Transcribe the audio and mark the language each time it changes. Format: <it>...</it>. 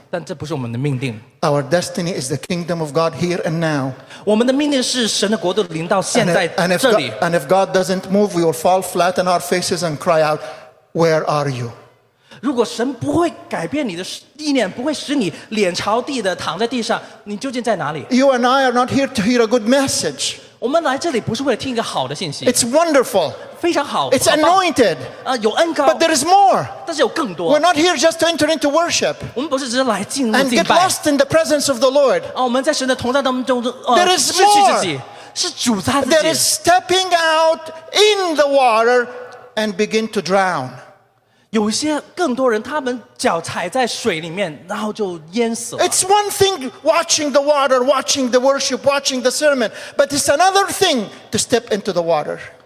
<en>Our destiny is the kingdom of God here and now. And if God doesn't move, we will fall flat on our faces and cry out, where are you?</en> <zh>如果神不会改变你的意念, 不会使你脸朝地的躺在地上, 你究竟在哪里?</zh> <en>You and I are not here to hear a good message. It's wonderful. It's anointed. But there is more. We're not here just to enter into worship and get lost in the presence of the Lord. There is more. There is stepping out in the water and begin to drown.</en> <zh>有一些更多人他们脚踩在水里面 然后就淹死了</zh> <en>It's one thing watching the water, watching the worship, watching the sermon, but it's another thing to step into the water.</en>